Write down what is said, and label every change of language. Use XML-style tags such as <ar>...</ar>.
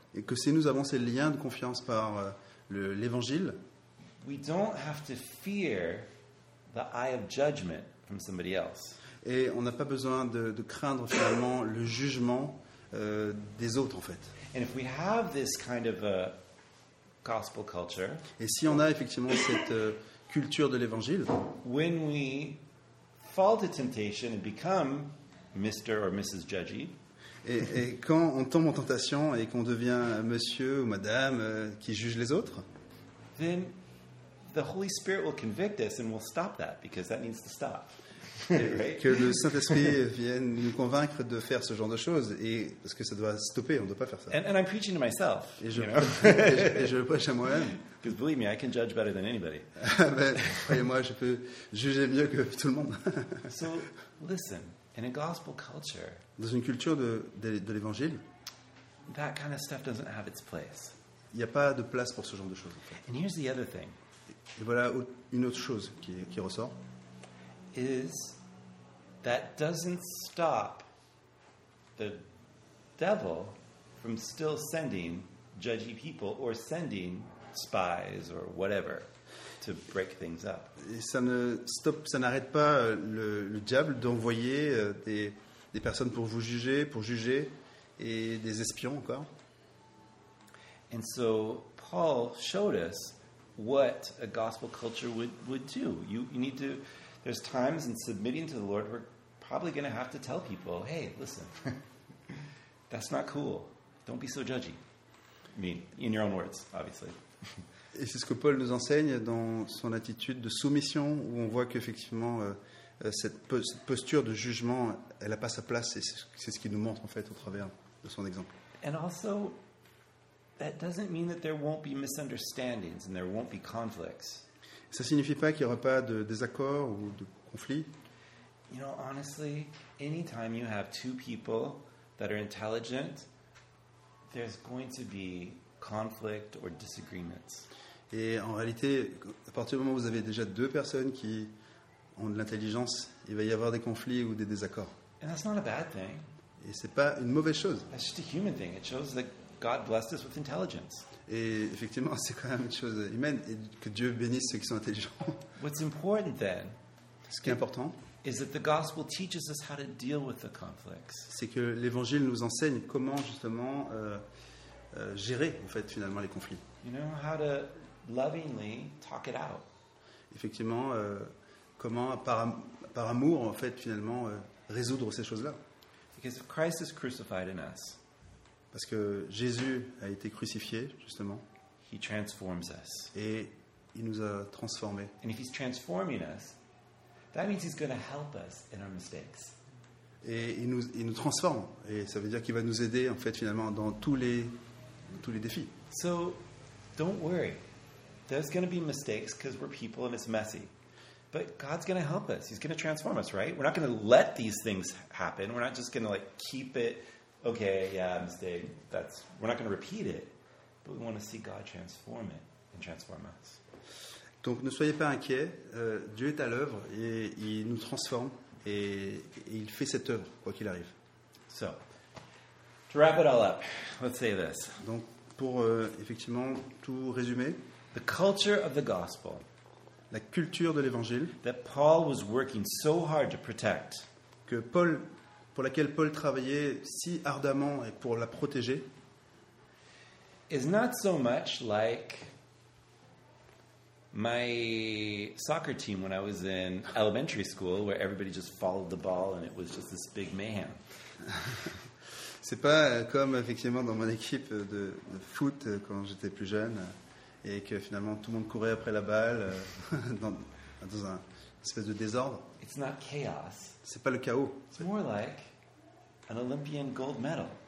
<fr>et que si nous avons ces liens de confiance par l'évangile,</fr> <en>we don't have to fear the eye of judgment from somebody else.</en> <fr>Et on n'a pas besoin de craindre finalement le jugement des autres, en fait.</fr> <en>And if we have this kind of a gospel culture,</en> <fr>et si on a effectivement cette culture de l'évangile,</fr> <en>when we fall to temptation and become Mr. or Mrs. Judgy,</en> <fr>et quand on tombe en tentation et qu'on devient monsieur ou madame qui juge les autres,</fr> <en>then the Holy Spirit will convict us and we'll stop that because that needs to stop.</en> <fr>Que le Saint-Esprit vienne nous convaincre de faire ce genre de choses, et parce que ça doit stopper, on ne doit pas faire ça.</fr> <en>And I'm preaching to myself.</en> <fr>Et je prêche à moi-même.</fr> <en>Because believe me, I can judge better than anybody.</en> <fr>Mais croyez-moi, je peux juger mieux que tout le monde.</fr> <en>So listen, in a gospel culture,</en> <fr>dans une culture de l'évangile,</fr> <en>that kind of stuff doesn't have its place.</en> <fr>Il n'y a pas de place pour ce genre de choses.</fr> <en>And here's the other thing.</en> <fr>Et voilà une autre chose qui ressort.</fr> <en>Is that doesn't stop the devil from still sending judgy people or sending spies or whatever to break things up.</en> <fr>Et ça n'arrête pas le diable d'envoyer des personnes pour vous juger, pour juger, et des espions encore.</fr> <en>And so Paul showed us what a gospel culture would do. You need to. There's times in submitting to the Lord we're probably going to have to tell people, hey, listen, that's not cool. Don't be so judgy. I mean, in your own words, obviously.</en> <fr>Et c'est ce que Paul nous enseigne dans son attitude de soumission, où on voit qu'effectivement, cette posture de jugement, elle n'a pas sa place, et c'est ce qu'il nous montre, en fait, au travers de son exemple.</fr> <en>And also, that doesn't mean that there won't be misunderstandings and there won't be conflicts.</en> <fr>Ça ne signifie pas qu'il n'y aura pas de désaccords ou de conflits.</fr> <en>You know, honestly, anytime you have two people that are intelligent, there's going to be conflict or disagreements.</en> <fr>Et en réalité, à partir du moment où vous avez déjà deux personnes qui ont de l'intelligence, il va y avoir des conflits ou des désaccords.</fr> <en>And that's not a bad thing.</en> <fr>Et c'est pas une mauvaise chose.</fr> <en>That's just a human thing. It shows that God blessed us with intelligence.</en> <fr>Et effectivement, c'est quand même une chose humaine, et que Dieu bénisse ceux qui sont intelligents.</fr> <en>What's important then?</en> <fr>Ce qui est important,</fr> <en>is that the gospel teaches us how to deal with the conflicts.</en> <fr>C'est que l'évangile nous enseigne comment justement gérer en fait finalement les conflits.</fr> <en>You know how to lovingly talk it out.</en> <fr>Effectivement, comment par amour en fait finalement résoudre ces choses-là.</fr> <en>Because if Christ is crucified in us.</en> <fr>Parce que Jésus a été crucifié, justement.</fr> <en>He transforms us.</en> <fr>Et il nous a transformés.</fr> <en>And if he's transforming us, that means he's going to help us in our mistakes.</en> <fr>Et il nous transforme. Et ça veut dire qu'il va nous aider, en fait, finalement, dans tous les défis.</fr> <en>So, don't worry. There's going to be mistakes because we're people and it's messy. But God's going to help us. He's going to transform us, right? We're not going to let these things happen. We're not just going to, like, keep it. Okay, yeah, mistake. That's we're not going to repeat it, but we want to see God transform it and transform us.</en> <fr>Donc ne soyez pas inquiets, Dieu est à l'œuvre et il nous transforme et il fait cette œuvre quoi qu'il arrive.</fr> <en>So, to wrap it all up, let's say this.</en> <fr>Donc pour effectivement tout résumer,</fr> <en>the culture of the gospel,</en> <fr>la culture de l'évangile</fr> <en>that Paul was working so hard to protect,</en> <fr>que Paul pour laquelle Paul travaillait si ardemment et pour la protéger,</fr> <en>is not so much like my soccer team when I was in elementary school, where everybody just followed the ball and it was just this big mayhem.</en> <fr>C'est pas comme effectivement dans mon équipe de foot quand j'étais plus jeune et que finalement tout le monde courait après la balle dans un espèce de désordre.</fr> <en>It's not chaos.</en> <fr>C'est pas le chaos.</fr> <en>It's more like an Olympian gold medal.</en>